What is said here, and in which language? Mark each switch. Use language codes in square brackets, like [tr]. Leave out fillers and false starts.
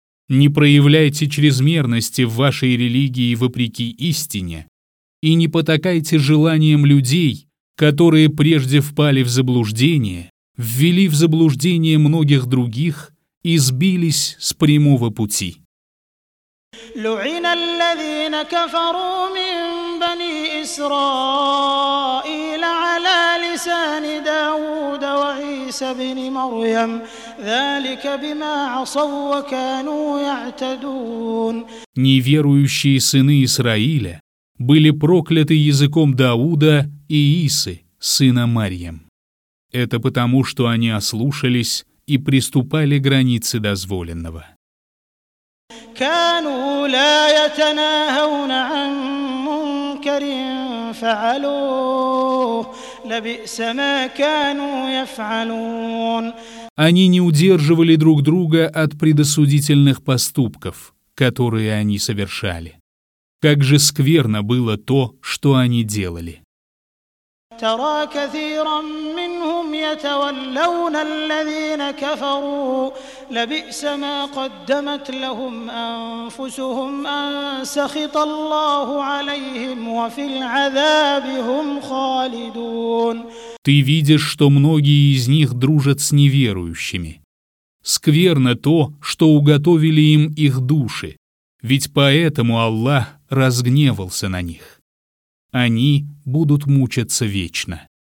[ru] Не проявляйте чрезмерности в вашей религии вопреки истине, и не потакайте желаниям людей, которые прежде впали в заблуждение, ввели в заблуждение многих других и сбились с прямого пути. [ar] لعن الذين كفروا من بني إسرائيل على لسان داود وعيسى بن مريم ذلك بما عصوا وكانوا يعتدون. [ru] Неверующие сыны Израиля были прокляты языком Дауда и Исы, сына Марьям. Это потому, что они ослушались и приступали к границе дозволенного. [ar] كانوا لا يتناهون عن منكر فعلوه لبئس ما كانوا يفعلون. [ru] Они не удерживали друг друга от предосудительных поступков, которые они совершали. Как же скверно было то, что они делали. [ar] ترى كثيرا منهم يتولون الذين كفروا لبئس ما قدمت لهم أنفسهم أن سخط الله عليهم وفي العذاب هم خالدون. [ru] Ты видишь, что многие из них дружат с неверующими. Скверно то, что уготовили им их души, ведь поэтому Аллах разгневался на них. Они будут мучаться вечно.